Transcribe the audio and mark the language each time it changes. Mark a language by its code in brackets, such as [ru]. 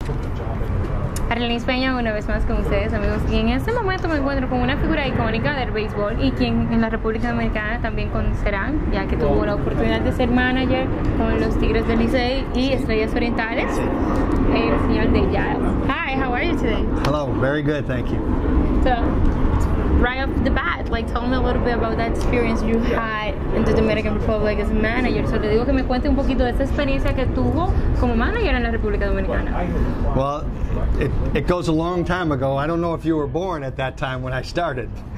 [es] Arlene Peña, una vez más con ustedes, amigos. Y en este momento me encuentro con una figura icónica del béisbol y quien en la República Dominicana también conocerán, ya que tuvo la oportunidad de ser manager con los Tigres del Licey y Estrellas Orientales, el señor De Jazz. [en] Hi, how are you today? Hello, very good, thank you. So, right off the bat, like, tell me a little bit about that experience you had in the Dominican Republic as a manager. [es] So, le digo que me cuente un poquito de esa experiencia que tuvo como manager en la República Dominicana. [en] Well, it goes a long time ago. I don't know if you were born at that time when I started.